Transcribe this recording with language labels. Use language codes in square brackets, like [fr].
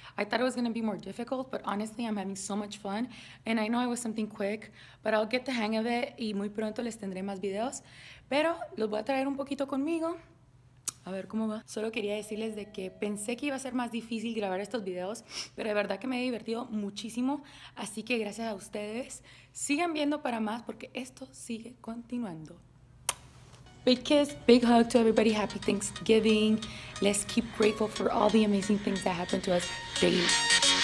[en] I thought it was going to be more difficult, but honestly, I'm having so much fun. And I know it was something quick, but I'll get the hang of it [es] y muy pronto les tendré más videos. Pero los voy a traer un poquito conmigo. A ver cómo va. Solo quería decirles de que pensé que iba a ser más difícil grabar estos videos, pero de verdad que me he divertido muchísimo. Así que gracias a ustedes. Sigan viendo para más porque esto sigue continuando. [en] Big kiss, big hug to everybody. Happy Thanksgiving. Let's keep grateful for all the amazing things that happened to us. Peace.